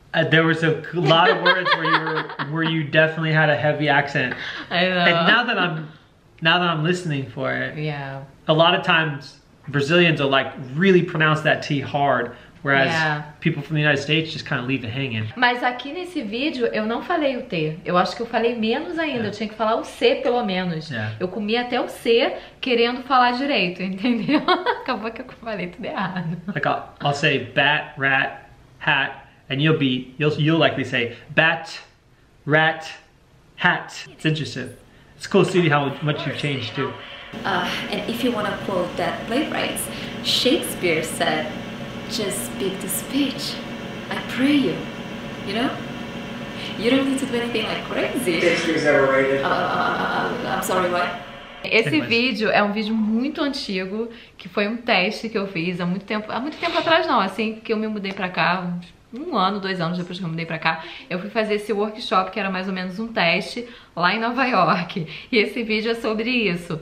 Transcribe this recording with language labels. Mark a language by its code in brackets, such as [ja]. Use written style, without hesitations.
[en] There was a lot of words where you definitely had a heavy accent. I know. And now that I'm listening for it, yeah. A lot of times Brazilians will like really pronounce that T hard. Whereas people from the United States just kind of leave it hanging. [pt] Mas aqui nesse vídeo eu não falei o T. Eu acho que eu falei menos ainda. Eu tinha que falar o C pelo menos. Eu comi até o C querendo falar direito, entendeu? Acabou que eu falei tudo errado. [en] Like I'll say bat, rat, hat, and you'll likely say bat, rat, hat. It's interesting. It's cool to see how much you've changed too. And if you want to quote that playwright, Shakespeare said. Just speak the speech. I pray you. You know? You don't need to do anything like crazy. Shakespeare's never rated. I'm sorry, what? [pt] Esse vídeo é um vídeo muito antigo, que foi um teste que eu fiz há muito tempo atrás, não, assim, que eu me mudei pra cá, um ano, 2 anos depois que eu mudei pra cá, eu fui fazer esse workshop, que era mais ou menos um teste, lá em Nova York, e esse vídeo é sobre isso.